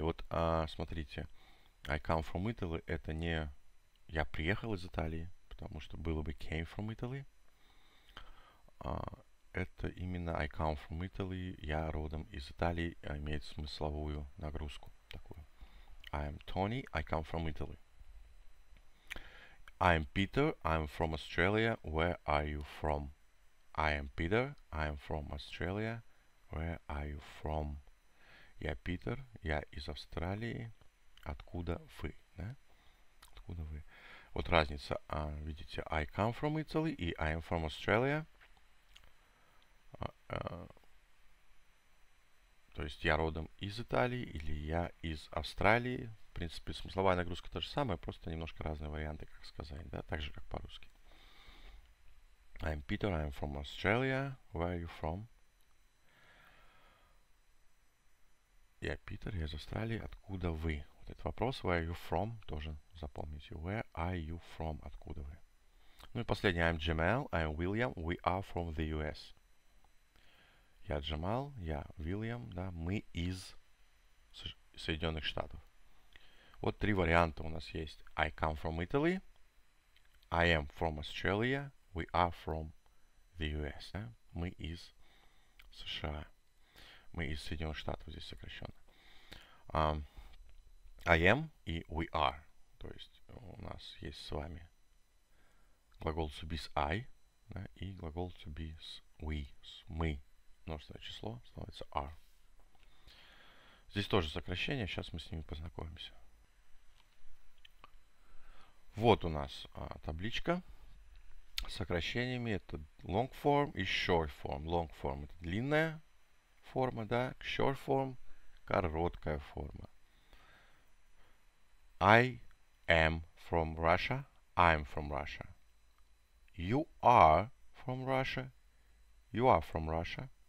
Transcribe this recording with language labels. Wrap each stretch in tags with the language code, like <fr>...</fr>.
<ru>Вот, смотрите,</ru> <en>I come from Italy,</en> <ru>это не я приехал из Италии, потому что было бы</ru> <en>came from Italy.</en> <ru>Это именно</ru> <en>I come from Italy,</en> <ru>я родом из Италии, имеет смысловую нагрузку такую.</ru> <en>I'm Tony, I come from Italy. I am Peter, I am from Australia, where are you from? I am Peter, I am from Australia, where are you from?</en> <ru>Я Питер, я из Австралии, откуда вы? Да? Откуда вы? Вот разница, видите,</ru> <en>I come from Italy</en> <ru>и</ru> <en>I am from Australia.</en> <ru>То есть я родом из Италии или я из Австралии. В принципе, смысловая нагрузка та же самая, просто немножко разные варианты, как сказать, да, так же, как по-русски.</ru> <en>I'm Peter, I'm from Australia. Where are you from?</en> <ru>Я Питер, я из Австралии. Откуда вы? Вот этот вопрос,</ru> <en>where are you from,</en> <ru>тоже запомните.</ru> <en>Where are you from?</en> <ru>Откуда вы? Ну и последний,</ru> <en>I'm Jamal, I'm William, we are from the US.</en> <ru>Я Джамал, я Вильям, да, мы из Соединенных Штатов. Вот три варианта у нас есть.</ru> <en>I come from Italy. I am from Australia. We are from the the US,</en> <ru>да? Мы из США. Мы из Соединенных Штатов, здесь сокращенно.</ru> <en>I am и we are.</en> <ru>То есть у нас есть с вами глагол to be с I, да, и глагол to be с we, с мы. Множественное число становится are. Здесь тоже сокращение, сейчас мы с ними познакомимся. Вот у нас табличка с сокращениями.</ru> <en>Это long form и short form.</en> <ru>Long form – это длинная форма, да? Short form – короткая форма.</ru> <en>I am from Russia. I'm from Russia. You are from Russia. You are from Russia.</en>